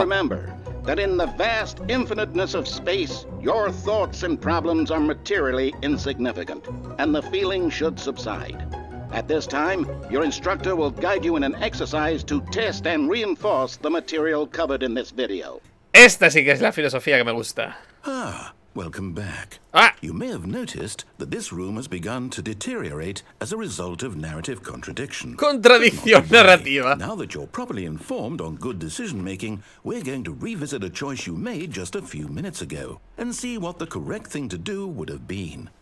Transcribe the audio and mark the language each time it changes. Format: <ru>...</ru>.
<en>remember that in the vast infiniteness of space, your thoughts and problems are materially insignificant, and the feeling should subside. At this time, your instructor will guide you in an exercise to test and reinforce the material covered in this video.</en> <es>Esta sí que es la filosofía que me gusta.</es> <en>Ah, welcome back. Ah. You may have noticed that this room has begun to deteriorate as a result of narrative contradiction.</en> <es>Contradicción narrativa.</es> <en>Now that you're properly informed on good decision-making, we're going to revisit a choice you made just a few minutes ago and see what the correct thing to do would have been.</en>